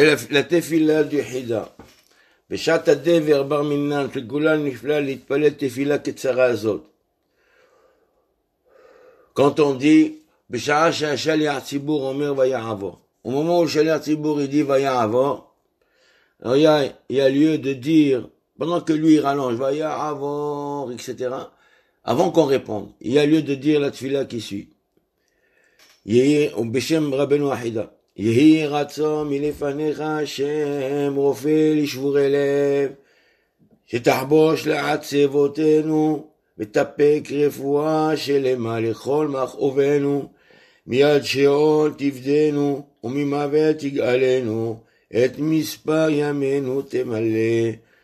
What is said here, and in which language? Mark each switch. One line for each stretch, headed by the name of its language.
Hebrew: לתפילה יחידה, בשעת הדבר בר מינן, שגולה נפלא להתפלל תפילה קצרה הזאת.
French: Quand on dit,
Hebrew: בשעה שהשליח הציבור אומר ויעבור, ומומו שליח הציבור ידי ויעבור,
French: alors il y a lieu de dire, pendant que lui rallonge, ויעבור, etc., avant qu'on réponde, il y a lieu de dire la tfila qui suit.
Hebrew: בשם רבנו אחידה, יהי רצון מלפניך השם רופא לשבורי לב, שתחבוש לעצבותינו, ותפק רפואה שלמה לכל מכאובנו, מיד שאול תבדנו, וממוות תגאלנו, את מספר ימינו תמלא,